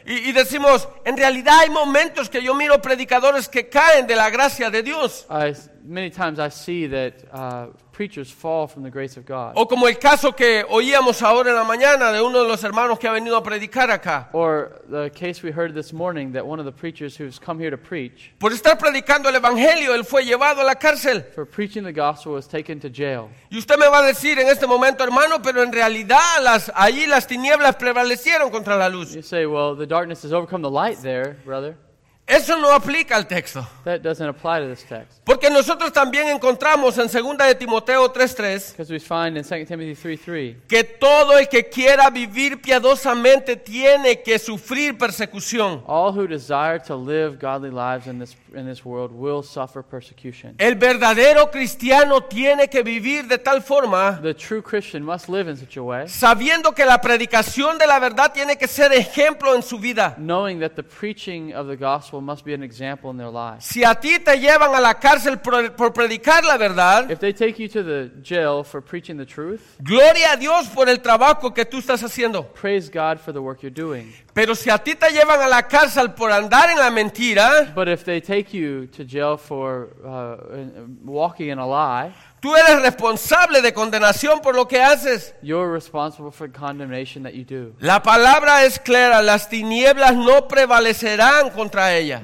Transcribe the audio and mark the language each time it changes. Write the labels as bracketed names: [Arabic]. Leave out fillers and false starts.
[Spanish] Y decimos, en realidad hay momentos que yo miro predicadores que caen de la gracia de Dios. [English] Many times I see that preachers fall from the grace of God. [Spanish] O como el caso que oíamos ahora en la mañana de uno de los hermanos que ha venido a predicar acá. [English] Or the case we heard this morning that one of the preachers who's come here to preach. [Spanish] Por estar predicando el evangelio, él fue llevado a la cárcel. [English] For preaching the gospel, was taken to jail. [Spanish] Y usted me va a decir en este momento, hermano, pero en realidad allí las tinieblas prevalecieron contra la luz. [English] You say, well, the darkness has overcome the light there, brother. [Spanish] Eso no aplica al texto. [English] That doesn't apply to this text. [Spanish] Porque nosotros también encontramos en 2 Timoteo 3:3 [English] because we find in 2 Timothy 3:3 [Spanish] que todo el que quiera vivir piadosamente tiene que sufrir persecución. [English] All who desire to live godly lives in this world will suffer persecution. [Spanish] El verdadero cristiano tiene que vivir de tal forma, [English] the true Christian must live in such a way, [Spanish] sabiendo que la predicación de la verdad tiene que ser ejemplo en su vida. [English] Knowing that the preaching of the gospel must be an example in their lives. [Spanish] Si a ti te llevan a la cárcel por predicar la verdad, [English] if they take you to the jail for preaching the truth, [Spanish] gloria a Dios por el trabajo que tú estás haciendo. [English] Praise God for the work you're doing. [Spanish] Pero si a ti te llevan a la cárcel por andar en la mentira, [English] but if they take you to jail for walking in a lie, [Spanish] tú eres responsable de condenación por lo que haces. [English] You're responsible for condemnation that you do. [Spanish] La palabra es clara, las tinieblas no prevalecerán contra ella.